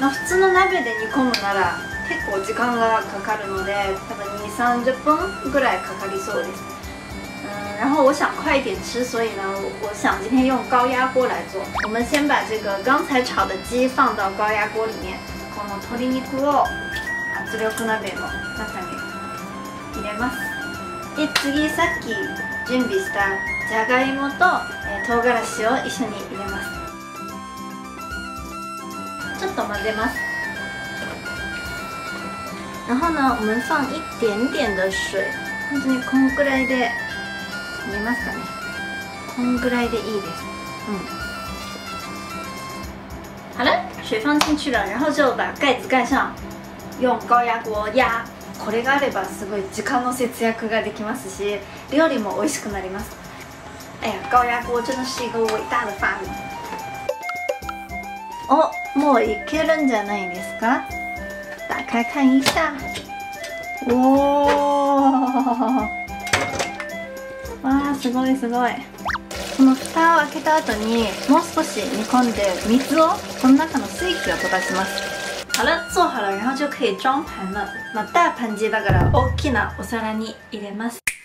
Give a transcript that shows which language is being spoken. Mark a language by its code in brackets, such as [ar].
[ja] まあ、普通の鍋で煮込むなら結構時間がかかるので、多分2、30分ぐらいかかりそうです。 [zh] 然后我想快点吃，所以呢，我想今天用高压锅来做。我们先把这个刚才炒的鸡放到高压锅里面。 [ja] この鶏肉を圧力鍋の中に入れます。で、次さっき準備したじゃがいもと唐辛子を一緒に入れます。ちょっと混ぜます。 [zh] 然后呢，我们放一点点的水， [ja] 本当にこのくらいで。見えますかね。こんぐらいでいいです。うん。 [zh] 好了，水放进去了，然后就把盖子盖上，用高压锅压。 [ja] これがあればすごい時間の節約ができますし、料理も美味しくなります。 [zh] 哎呀，高压锅真的是一个伟大的发明。 [ja] お、もういけるんじゃないですか？ [zh] 打開看一下。 [ja] おー。わあ、すごいすごい。この蓋を開けた後にもう少し煮込んで水をこの中の水気を溶かします。 [zh] 好了，做好了，然后就可以装盘了。 [ja] まあ、大盘鸡だから大きなお皿に入れます。